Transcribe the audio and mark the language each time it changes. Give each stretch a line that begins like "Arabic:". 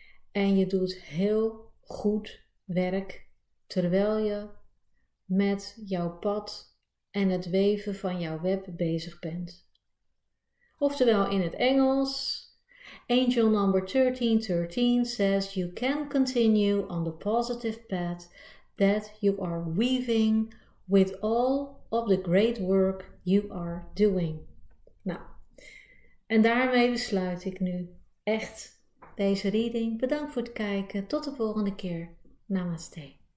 Dutch: En je doet heel goed werk. Terwijl je met jouw pad en het weven van jouw web bezig bent. Oftewel in het Engels.
English: Angel number 1313 says you can continue on the positive path that you are weaving with all of the great work you are doing.
Dutch: Nou, en daarmee besluit ik nu echt deze reading. Bedankt voor het kijken. Tot de volgende keer. Namaste.